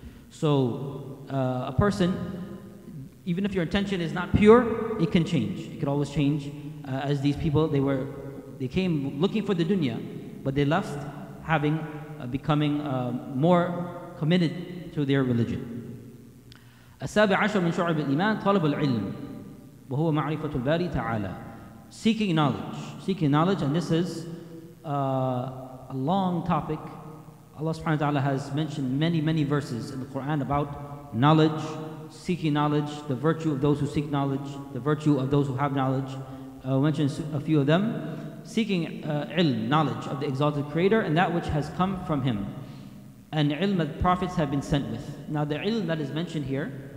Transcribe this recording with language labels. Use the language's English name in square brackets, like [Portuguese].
[English] So a person, even if your intention is not pure, it can change. It could always change. As these people, they came looking for the dunya, but they left having becoming more committed to their religion. [Arabic] السابع عشر من شعب الإيمان طلب العلم وهو معرفة الباري تعالى. [English] Seeking knowledge, and this is a long topic. Allah subhanahu wa ta'ala has mentioned many, many verses in the Qur'an about knowledge, seeking knowledge, the virtue of those who seek knowledge, the virtue of those who have knowledge. I'll mention a few of them. Seeking ilm, knowledge of the exalted creator and that which has come from him. And ilm that prophets have been sent with. Now the ilm that is mentioned here,